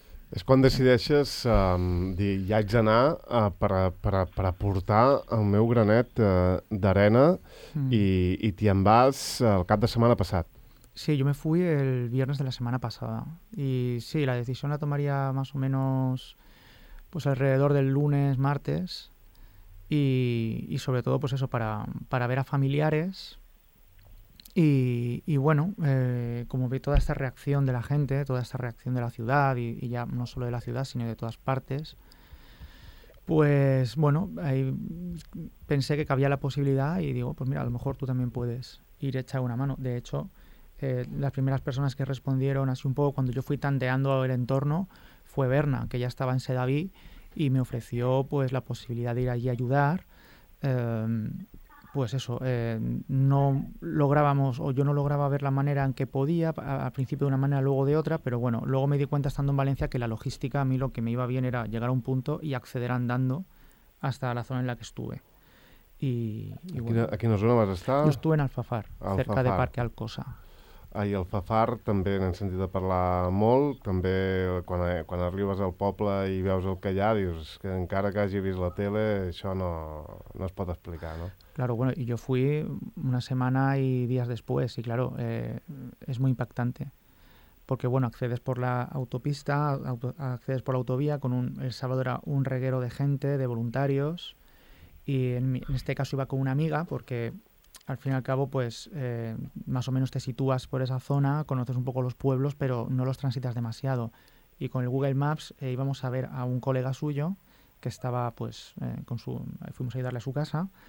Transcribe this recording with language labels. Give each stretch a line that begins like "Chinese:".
Catalan: És quan decideixes dir, ja haig d'anar per aportar el meu granet d'arena i t'hi en vas el cap de setmana passat.
Spanish: Sí, yo me fui el viernes de la semana pasada. Y sí, la decisión la tomaría más o menos pues alrededor del lunes, martes. Y sobre todo pues eso, para ver a familiares. Y bueno, como vi toda esta reacción de la gente, toda esta reacción de la ciudad, y ya no solo de la ciudad, sino de todas partes, pues bueno, ahí pensé que cabía la posibilidad y digo, pues mira, a lo mejor tú también puedes ir a echar una mano. De hecho, las primeras personas que respondieron así un poco cuando yo fui tanteando el entorno fue Berna, que ya estaba en Sedaví y me ofreció pues la posibilidad de ir allí a ayudar. Pues eso, no lográbamos, o yo no lograba ver la manera en que podía, al principio de una manera, luego de otra, pero bueno, luego me di cuenta estando en Valencia que la logística a mí lo que me iba bien era llegar a un punto y acceder andando hasta la zona en la que estuve.
Catalan: A quina zona vas estar?
Spanish: Jo estuve en Alfafar, cerca de Parque Alcosa.
Catalan: I Alfafar també n'hem sentit a parlar molt, també quan arribes al poble i veus el que hi ha, dius que encara que hagi vist la tele, això no es pot explicar, no?
Spanish: Claro, bueno, y yo fui una semana y días después, y claro, es muy impactante, porque bueno, accedes por la autopista, accedes por la autovía, el sábado era un reguero de gente, de voluntarios, y en este caso iba con una amiga, porque al fin y al cabo, pues, más o menos te sitúas por esa zona, conoces un poco los pueblos, pero no los transitas demasiado, y con el Google Maps íbamos a ver a un colega suyo, que estaba, pues, fuimos a ayudarle a su casa.